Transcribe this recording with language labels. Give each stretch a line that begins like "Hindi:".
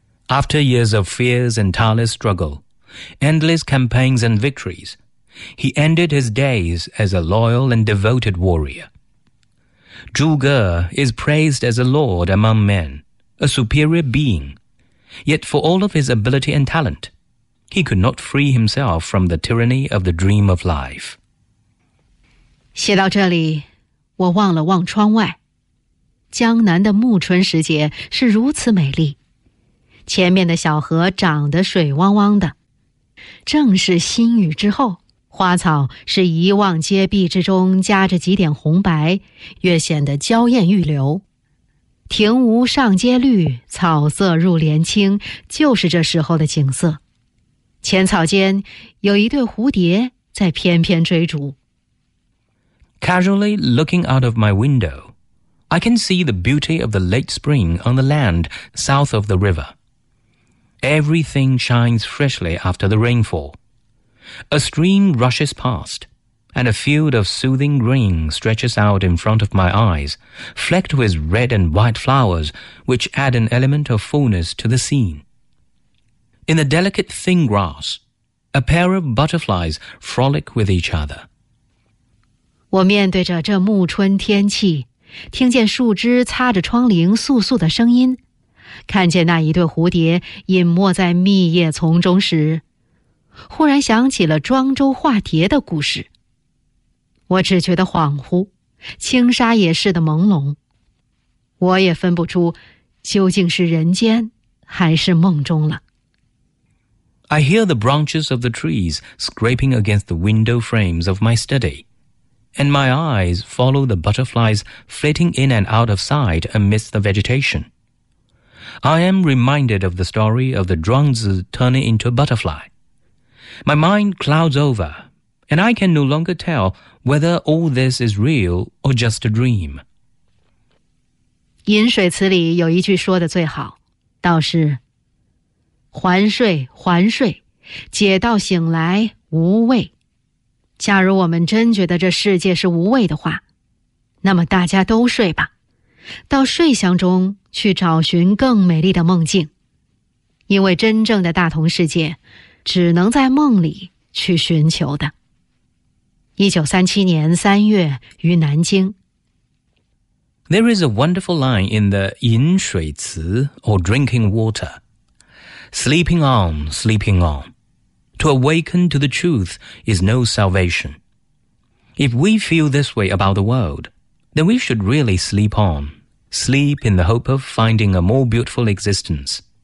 English: After years of fears and tireless struggle, endless campaigns and victories, he ended his days as a loyal and devoted warrior. Zhu Ge is praised as a lord among men, a superior being. Yet for all of his ability and talent, he could not free himself from the tyranny of the dream of life.
Chinese: 写到这里，我望了望窗外，江南的暮春时节是如此美丽，前面的小河长得水汪汪的，正是新雨之后，花草是一望皆碧之中夹着几点红白，越显得娇艳欲流。庭梧上阶绿，草色入帘青，就是这时候的景色。浅草间有一对蝴蝶在翩翩追逐。
English: Casually looking out of my window, I can see the beauty of the late spring on the land south of the river. Everything shines freshly after the rainfall. A stream rushes past, and a field of soothing green stretches out in front of my eyes, flecked with red and white flowers, which add an element of fullness to the scene. In the delicate thin grass, a pair of butterflies frolic with each other.
Chinese: 我面对着这暮春天气，听见树枝擦着窗棂簌簌的声音，看见那一对蝴蝶隐没在密叶丛中时，忽然想起了庄周化蝶的故事。我只觉得恍惚，轻纱也似的朦胧，我也分不出究竟是人间还是梦中了。
English: I hear the branches of the trees scraping against the window frames of my study, and my eyes follow the butterflies flitting in and out of sight amidst the vegetation. I am reminded of the story of the Zhuangzi turning into a butterfly. My mind clouds over,And I can no longer tell whether all this is real or just a dream.
Chinese: 饮水词里有一句说的最好，倒是还睡还睡，解到醒来无味。假如我们真觉得这世界是无味的话，那么大家都睡吧，到睡乡中去找寻更美丽的梦境。因为真正的大同世界，只能在梦里去寻求的。 1937年三月于南京。
English: There is a wonderful line in the 饮水词 or drinking water. Sleeping on, sleeping on. To awaken to the truth is no salvation. If we feel this way about the world, then we should really sleep on, sleep in the hope of finding a more beautiful existence.